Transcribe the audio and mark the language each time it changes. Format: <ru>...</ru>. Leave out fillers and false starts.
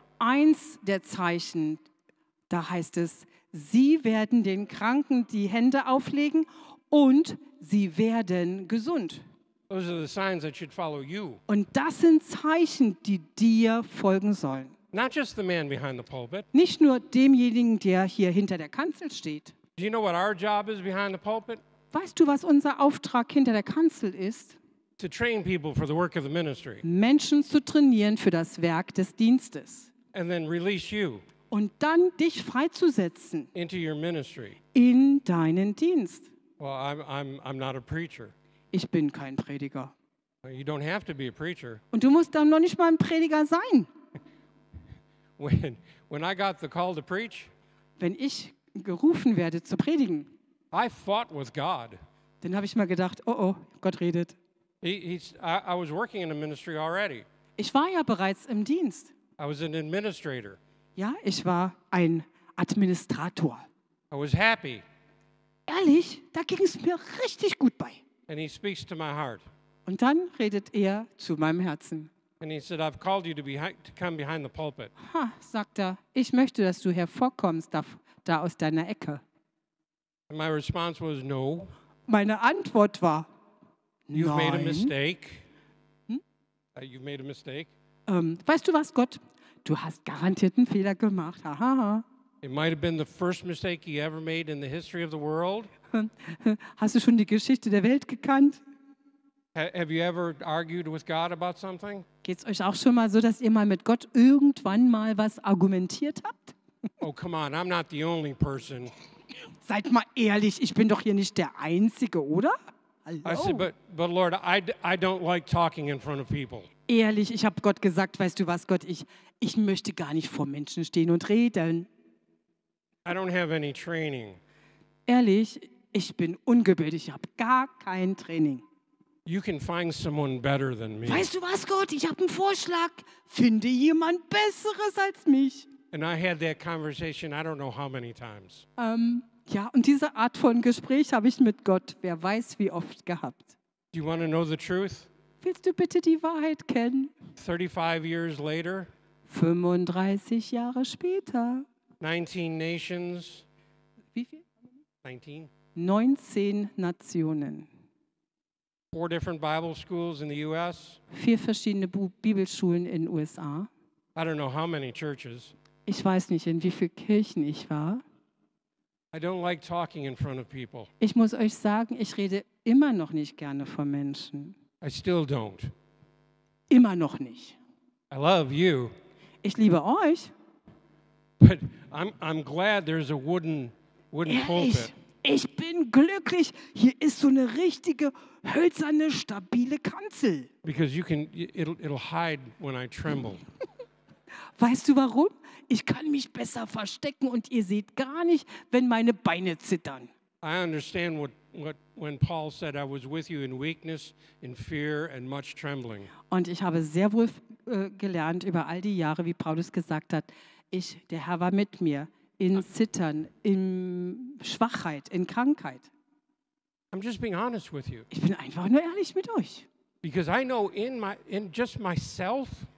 <de>Eins der Zeichen, da heißt es, sie werden den Kranken die Hände auflegen und sie werden gesund.</de> <en>Those are the signs that should follow you.</en> <de>Und das sind Zeichen, die dir folgen sollen.</de> <en>Not just the man behind the pulpit.</en> <de>Nicht nur demjenigen, der hier hinter der Kanzel steht.</de> <en>Do you know what our job is behind the pulpit?</en> <de>Weißt du, was unser Auftrag hinter der Kanzel ist?</de> <en>To train people for the work of the ministry.</en> <de>Menschen zu trainieren für das Werk des Dienstes.</de> <en>And then release you.</en> <de>Und dann dich freizusetzen.</de> <en>Into your ministry.</en> <de>In deinen Dienst.</de> <en>Well, I'm not a preacher.</en> <de>Ich bin kein Prediger.</de> <en>You don't have to be a preacher.</en> <de>Und du musst dann noch nicht mal ein Prediger sein.</de> <en>When I got the call to preach,</en> <de>wenn ich gerufen werde zu predigen,</de> <en>I fought with God.</en> <de>Dann habe ich mal gedacht, oh, Gott redet.</de> <en>I was working in a ministry already.</en> <de>Ich war ja bereits im Dienst.</de> <en>I was an administrator.</en> <de>Ja, ich war ein Administrator.</de> <en>I was happy.</en> <de>Ehrlich, da ging es mir richtig gut bei.</de> <en>And he speaks to my heart.</en> <de>Und dann redet er zu meinem Herzen.</de> <en>And he said, I've called you to come behind the pulpit.</en> <de>Ha, sagt er, ich möchte, dass du hervorkommst da aus deiner Ecke.</de> <en>And my response was no.</en> <de>Meine Antwort war nein.</de> <en>You've made a mistake. You've made a mistake.</en> <de>Weißt du was, Gott? Du hast garantiert einen Fehler gemacht. Haha.</de> <en>It might have been the first mistake he ever made in the history of the world.</en> <de>Hast du schon die Geschichte der Welt gekannt?</de> <en>Have you ever argued with God about something?</en> <de>Geht's euch auch schon mal so, dass ihr mal mit Gott irgendwann mal was argumentiert habt?</de> <en>Oh, come on, I'm not the only person.</en> <de>Seid mal ehrlich, ich bin doch hier nicht der Einzige, oder?</de> <en>Hello. I said, but Lord, I don't like talking in front of people.</en> <de>Ehrlich, ich habe Gott gesagt, weißt du was, Gott, ich möchte gar nicht vor Menschen stehen und reden.</de> <en>I don't have any training.</en> <de>Ehrlich, ich bin ungebildet, ich habe gar kein Training.</de> <en>You can find someone better than me.</en> <de>Weißt du was, Gott, ich habe einen Vorschlag. Finde jemand Besseres als mich.</de> <en>And I had that conversation I don't know how many times.</en> <de>Ja, und diese Art von Gespräch habe ich mit Gott, wer weiß wie oft, gehabt.</de> <en>Do you want to know the truth?</en> <de>Willst du bitte die Wahrheit kennen?</de> <en>35 years later.</en> <de>35 Jahre später.</de> <en>19 nations.</en> <de>Wie viel? 19. 19 Nationen.</de> <en>4 different Bible schools in the US.</en> <de>4 verschiedene Bibelschulen in USA.</de> <en>I don't know how many churches.</en> <de>Ich weiß nicht, in wie vielen Kirchen ich war.</de> <en>I don't like talking in front of people.</en> <de>Ich muss euch sagen, ich rede immer noch nicht gerne vor Menschen.</de> <en>I still don't.</en> <de>Immer noch nicht.</de> <en>I love you.</en> <de>Ich liebe euch.</de> <en>But I'm glad there's a wooden pulpit.</en> <de>Ich bin glücklich. Hier ist so eine richtige hölzerne stabile Kanzel.</de> <en>Because you can, it'll hide when I tremble.</en> <de>Weißt du warum? Ich kann mich besser verstecken und ihr seht gar nicht, wenn meine Beine zittern.</de> <en>I understand what when Paul said, I was with you in weakness, in fear and much trembling.</en> <de>Und ich habe sehr wohl gelernt über all die Jahre, wie Paulus gesagt hat, der Herr war mit mir in Zittern, in Schwachheit, in Krankheit.</de> <en>I'm just being honest with you.</en> <de>Ich bin einfach nur ehrlich mit euch.</de> <en>Because I know in just myself.</en>